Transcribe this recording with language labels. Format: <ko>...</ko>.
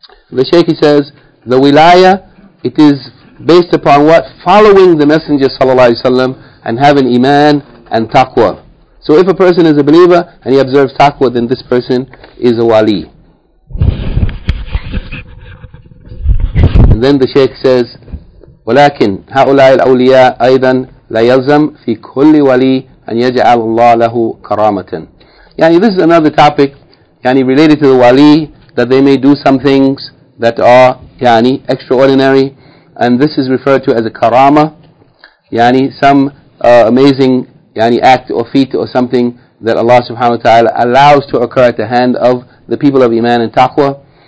<en>The shaykh, he says, the wilaya, it is based upon what? Following the Messenger sallallahu alayhi wa sallam, and have an iman and taqwa. So if a person is a believer and he observes taqwa, then this person is a wali. And then the Shaykh says,</en> <ar>ولكن هؤلاء الأولياء أيضا لا يلزم في كل ولي أن يجعل الله له كرامة.</ar> <en>Yani this is another topic, yani related to the wali, that they may do some things that are yani extraordinary, and this is referred to as a karama, yani some amazing yani act or feat or something that Allah subhanahu wa ta'ala allows to occur at the hand of the people of iman and taqwa.</en>